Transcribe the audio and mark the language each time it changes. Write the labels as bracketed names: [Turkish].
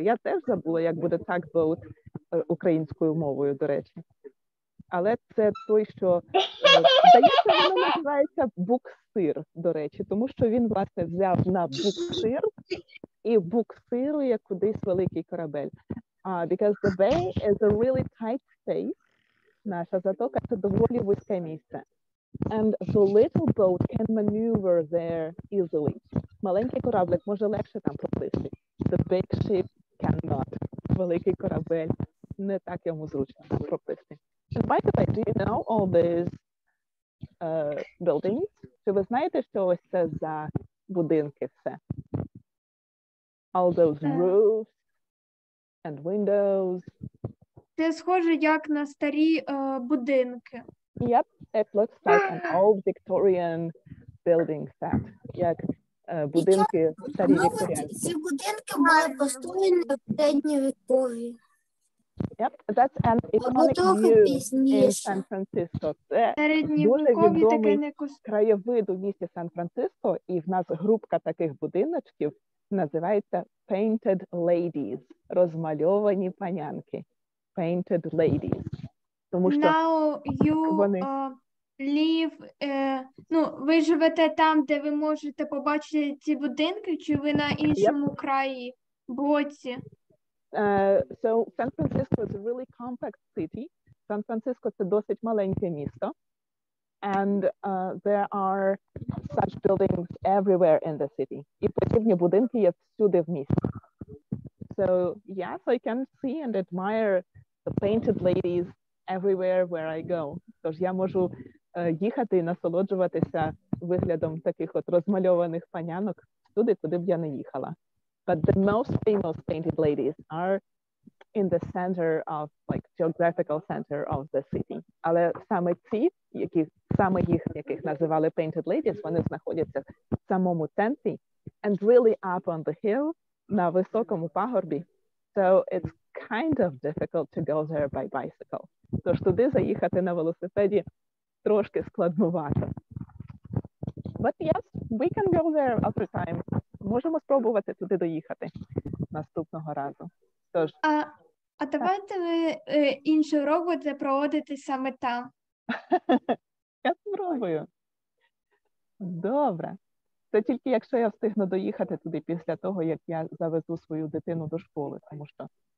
[Ukrainian] Я теж забула, як буде tugboat українською мовою, до речі. Але це той, що, здається, воно називається буксир, до речі, тому що він, власне, взяв на буксир і буксирує кудись великий корабель. [English] Because the bay is a really tight space. [Ukrainian] Наша затока – це доволі вузьке місце. [English] And the little boat can maneuver there easily. [Ukrainian] Маленький кораблик може легше там пропливти. [English] The big ship cannot. [Ukrainian] Великий корабель не так йому зручно пропливти. [English] And by the way, do you know all these buildings? [Ukrainian] Чи ви знаєте, що ось це за будинки все? [English] All those roofs, and windows. [Ukrainian] Це схоже як на старі будинки. [English] Yep, it looks like an old Victorian building set. [Ukrainian] Як будинки старі Вікторіанські. Ці будинки були построєні в середньовіккові. [English] Yep, that's an iconic view in San Francisco. [Ukrainian] Це дуже відомий краєвид у місті Сан-Франциско, і в нас групка таких будиночків називається Painted Ladies, розмальовані панянки. Painted Ladies. Тому що [English] now you [Ukrainian] вони... live, ну, ви живете там, де ви можете побачити ці будинки, чи ви на іншому yep. краї, боці? [English] So San Francisco is a really compact city. [Ukrainian] San Francisco – це досить маленьке місто. [English] And there are such buildings everywhere in the city. [Ukrainian] І подібні будинки є всюди в місті. [English] So yes, I can see and admire the painted ladies everywhere where I go. [Ukrainian] Тож я можу їхати і насолоджуватися виглядом таких от розмальованих панянок всюди, куди б я не їхала. [English] But the most famous painted ladies are in the center of, like, geographical center of the city. [Ukrainian] Але саме ці, які, саме їх, яких називали painted ladies, вони знаходяться в самому центрі. [English] And really up on the hill, [Ukrainian] на високому пагорбі. [English] So it's kind of difficult to go there by bicycle. [Ukrainian] Тож туди заїхати на велосипеді трошки складновато. [English] But yes, we can go there other time. [Ukrainian] Можемо спробувати туди доїхати наступного разу. Тож, а давайте ви інший урок будете проводити саме там. Я спробую. Добре. Це тільки якщо я встигну доїхати туди після того, як я завезу свою дитину до школи, тому що...